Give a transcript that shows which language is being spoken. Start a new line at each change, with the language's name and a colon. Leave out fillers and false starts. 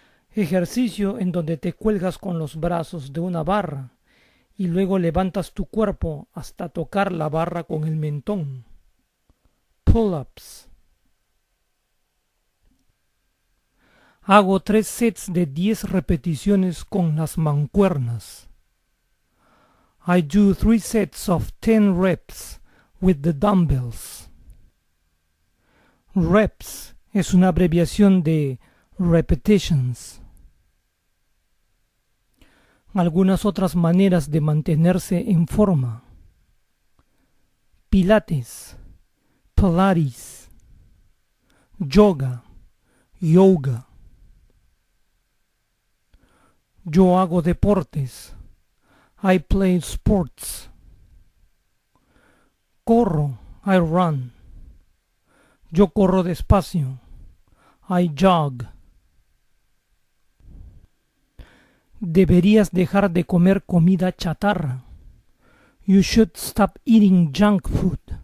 Spanish: Ejercicio en donde te cuelgas con los brazos de una barra y luego levantas tu cuerpo hasta tocar la barra con el mentón. Pull-ups. Hago 3 sets de 10 repeticiones con las mancuernas.
English: I do 3 sets of 10 reps with the dumbbells.
Spanish: Reps es una abreviación de repetitions. Algunas otras maneras de mantenerse en forma. Pilates. Pilates. Yoga. Yoga. Yo hago deportes.
English: I play sports.
Spanish: Corro.
English: I run.
Spanish: Yo corro despacio.
English: I jog.
Spanish: Deberías dejar de comer comida chatarra.
English: You should stop eating junk food.